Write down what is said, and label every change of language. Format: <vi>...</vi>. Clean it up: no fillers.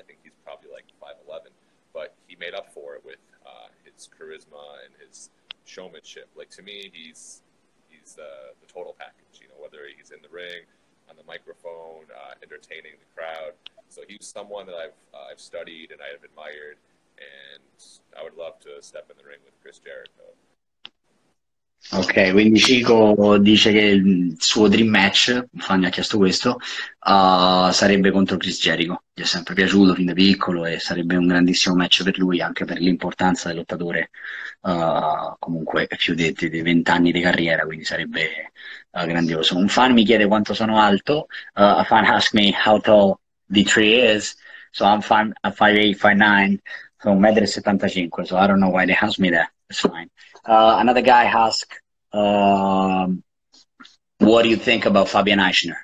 <en>I think he's probably like 5'11", but he made up for it with his charisma and his showmanship. Like, to me, he's the total package, you know, whether he's in the ring, on the microphone, entertaining the crowd. So he's someone that I've studied and I have admired, and I would love to step in the ring with Chris Jericho.</en> <it>Ok, quindi CHICO dice che il suo dream match, Fanny ha chiesto questo, sarebbe contro Chris Jericho, gli è sempre piaciuto fin da piccolo e sarebbe un grandissimo match per lui, anche per l'importanza del lottatore, comunque più di 20 anni di carriera, quindi sarebbe grandioso. Un fan mi chiede quanto sono alto,</it> <en>a fan asks me how tall the tree is, so I'm 5'8", 5'9", so 1.75 m, so I don't know why they ask me that, it's fine. Another guy asks, what do you think about Fabian Eichner?</en>